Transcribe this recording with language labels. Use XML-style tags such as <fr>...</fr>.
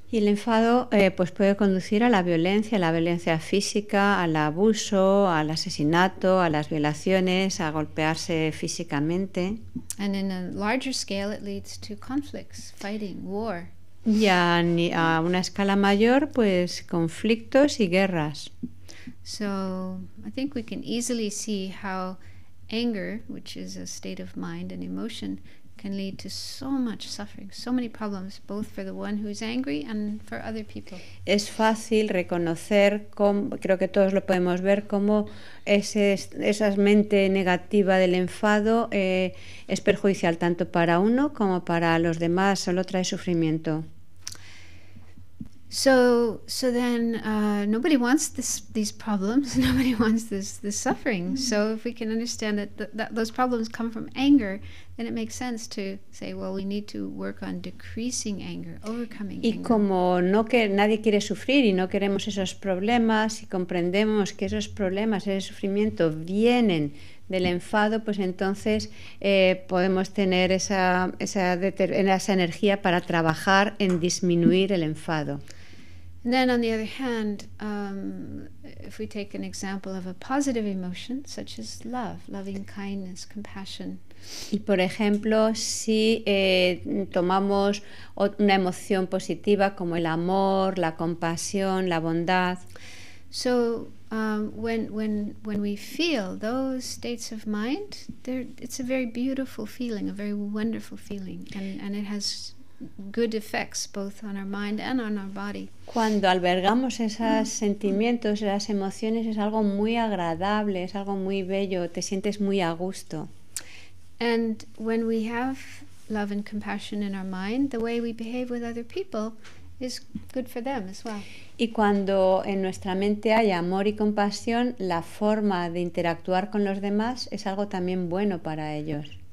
<es>Y el enfado pues puede conducir a la violencia física, al abuso, al asesinato, a las violaciones, a golpearse físicamente.</es> <en>And in a larger scale, it leads to conflicts, fighting, war.</en> <es>Y a una escala mayor, pues conflictos y guerras.</es> <en>So I think we can easily see how anger, which is a state of mind and emotion, can lead to so much suffering, so many problems, both for the one who's angry and for other people.</en> <es>Es fácil reconocer, creo que todos lo podemos ver, cómo esa mente negativa del enfado es perjudicial tanto para uno como para los demás, solo trae sufrimiento.</es> <en>So then nobody wants these problems, nobody wants this suffering. So if we can understand that those problems come from anger, then it makes sense to say, well, we need to work on decreasing anger, overcoming anger.</en> <es>Y como nadie quiere sufrir y no queremos esos problemas, y comprendemos que esos problemas, ese sufrimiento vienen del enfado, pues entonces podemos tener esa energía para trabajar en disminuir el enfado.</es> <en>And then on the other hand, if we take an example of a positive emotion, such as love, loving kindness, compassion.</en> <es>Y por ejemplo, si tomamos una emoción positiva como el amor, la compasión, la bondad.</es> <en>So when we feel those states of mind, it's a very beautiful feeling, a very wonderful feeling, and it has good effects both on our mind and on our body.</en> <es>Cuando albergamos esos sentimientos, esas emociones, es algo muy agradable, es algo muy bello, te sientes muy a gusto.</es> <en>And when we have love and compassion in our mind, the way we behave with other people is good for them as well.</en> <es>Y cuando en nuestra mente hay amor y compasión, la forma de interactuar con los demás es algo también bueno para ellos.</es>